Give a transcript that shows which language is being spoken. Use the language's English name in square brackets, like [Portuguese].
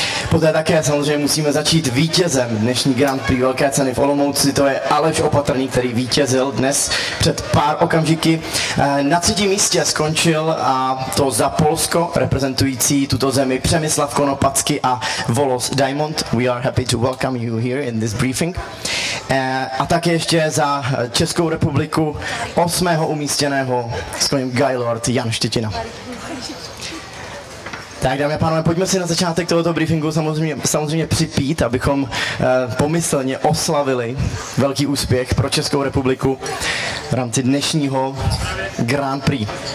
[Czech] Poté také samozřejmě musíme začít vítězem dnešní Grand Prix Velké ceny v Olomouci, to je Aleš Opatrný, který vítězil dnes před pár okamžiky. Na třetím místě skončil a to za Polsko, reprezentující tuto zemi Přemyslav Konopacky a Volos Diamond. [English] We are happy to welcome you here in this briefing. [Czech] A také ještě za Českou republiku 8. umístěného s koním Gailord Jan Štětina. Tak dámy a pánové, pojďme si na začátek tohoto briefingu samozřejmě připít, abychom pomyslně oslavili velký úspěch pro Českou republiku v rámci dnešního Grand Prix.